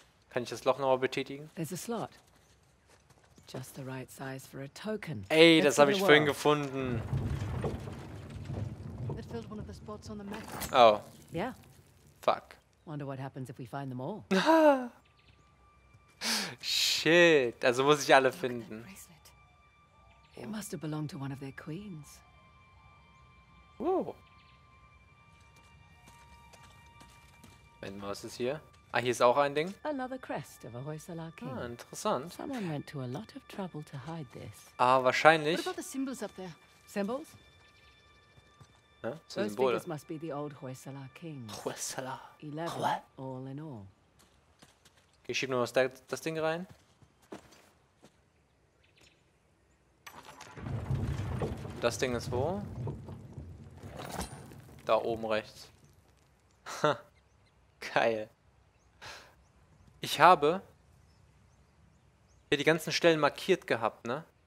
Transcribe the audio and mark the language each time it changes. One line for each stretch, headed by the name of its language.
German: Kann ich das Loch nochmal betätigen?
English: There's a slot. Just the right size for a token.
German: Ey, das habe ich vorhin gefunden.
English: It filled one of the spots on the map. Oh. Yeah. Fuck. Wonder what happens if we find them all.
German: Shit, also muss ich alle finden.
English: It must have belonged to one of their queens.
German: Wenn was ist hier? Ah, hier ist auch ein Ding.
English: Another crest of a Hoysala king.
German: Ah, interessant.
English: Someone went to a lot of trouble to hide this.
German: Ah, wahrscheinlich.
English: What about the symbols up there? Symbols?
German: Ja, Symbole.
English: Those must be the old Hoysala kings. Hoysala. 11, all in all.
German: Ich schieb nur das, das Ding rein. Das Ding ist wo? Da oben rechts. Geil. Ich habe hier die ganzen Stellen markiert gehabt, ne?